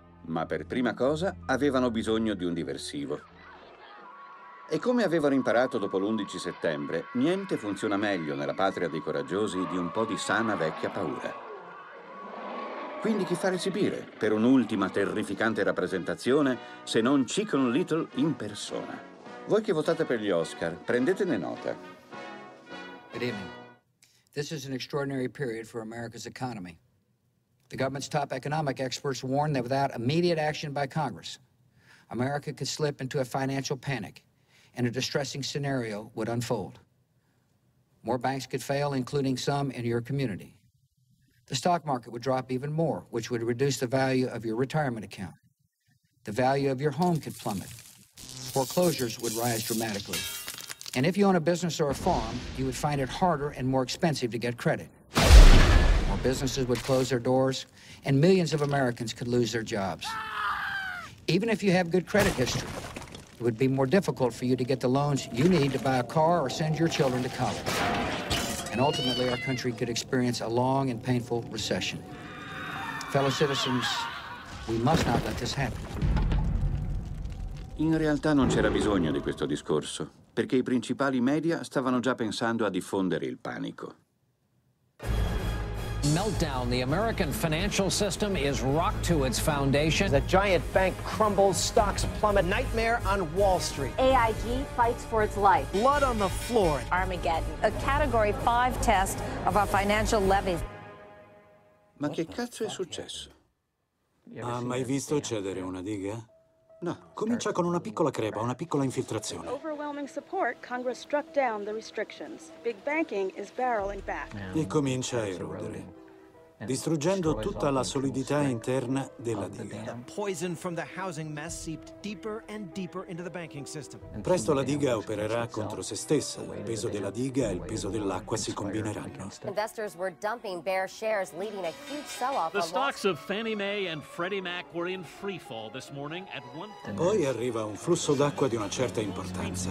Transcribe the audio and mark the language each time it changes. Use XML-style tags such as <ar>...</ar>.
<it>Ma per prima cosa avevano bisogno di un diversivo. E come avevano imparato dopo l'11 settembre, niente funziona meglio nella patria dei coraggiosi di un po' di sana vecchia paura. Quindi chi fare esibire per un'ultima terrificante rappresentazione se non Chicken Little in persona? Voi che votate per gli Oscar, prendetene nota.</it> <en>Good evening. This is an extraordinary period for America's economy. The government's top economic experts warn that without immediate action by Congress, America could slip into a financial panic. And a distressing scenario would unfold. More banks could fail, including some in your community. The stock market would drop even more, which would reduce the value of your retirement account. The value of your home could plummet. Foreclosures would rise dramatically. And if you own a business or a farm, you would find it harder and more expensive to get credit. More businesses would close their doors, and millions of Americans could lose their jobs. Even if you have good credit history, it would be more difficult for you to get the loans you need to buy a car or send your children to college. And ultimately, our country could experience a long and painful recession. Fellow citizens, we must not let this happen.</en> <it>In realtà non c'era bisogno di questo discorso, perché i principali media stavano già pensando a diffondere il panico.</it> <en>Meltdown. The American financial system is rocked to its foundation. The giant bank crumbles, stocks plummet. Nightmare on Wall Street. AIG fights for its life. Blood on the floor. Armageddon. A category 5 test of our financial levies.</en> <it>Ma che cazzo è successo? Ha mai visto cedere una diga? No. Comincia con una piccola crepa, una piccola infiltrazione.</it> <en>Overwhelming support, Congress struck down the restrictions. Big banking is barreling back.</en> <it>E comincia a erodere, distruggendo tutta la solidità interna della diga.</it> <en>Poison from the housing mess seeped deeper and deeper into the banking system.</en> <it>Presto la diga opererà contro se stessa. Il peso della diga e il peso dell'acqua si combineranno.</it> <en>Investors were dumping bear shares, leading a huge sell-off. The stocks of Fannie Mae and Freddie Mac were in free fall this morning at one.</en> <it>Poi arriva un flusso d'acqua di una certa importanza.</it>